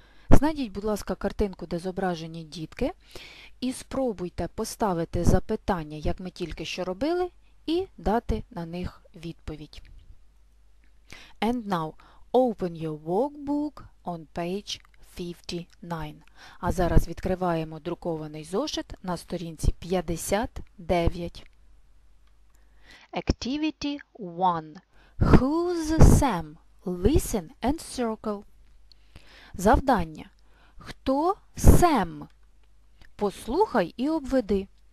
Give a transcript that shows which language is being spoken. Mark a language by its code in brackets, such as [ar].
[uk] Знайдіть, будь ласка, картинку, де зображені дітки, і спробуйте поставити запитання, як ми тільки що робили, і дати на них відповідь. [en] And now, open your workbook on page 59. [uk] А зараз відкриваємо друкований зошит на сторінці 59. [en] Activity 1. Who's Sam? Listen and circle. [uk] Завдання. Хто Сем? Послухай і обведи.